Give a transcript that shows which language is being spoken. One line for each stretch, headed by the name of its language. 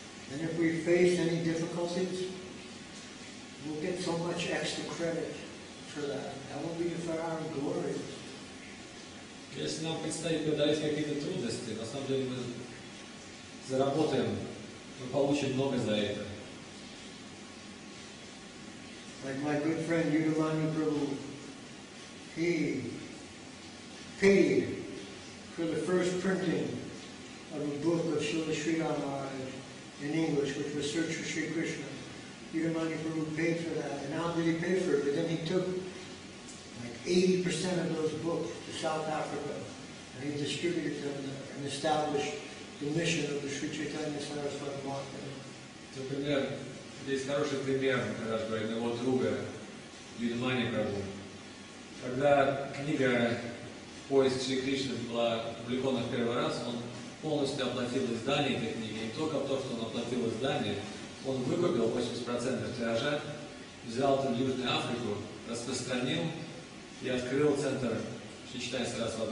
English: And if we face any difficulties, we'll get so much extra credit for that. That will be for our glory.
Russian: Если нам предстоит преодолеть какие-то трудности, на самом деле мы заработаем, мы получим много за это.
English: Like my good friend Yudhamani Prabhu, he paid for the first printing of a book of Srila Sridhar Maharaj in English, which was Search for Sri Krishna. Yudhamani Prabhu paid for that, and not only did he pay for it, but then he took like 80% of those books to South Africa, and he distributed them there and established the mission of the Sri Chaitanya Saraswati Mahaprabhu.
Russian: Здесь хороший пример, когда же говорит моего друга Юдмани Прабху. Когда книга «Поиск Шри Кришны» была опубликована в первый раз, он полностью оплатил издание этой книги. И только то, что он оплатил издание, он выкупил 80% тиража, взял это в Южную Африку, распространил и открыл центр Шри Чайтанья Сарасвати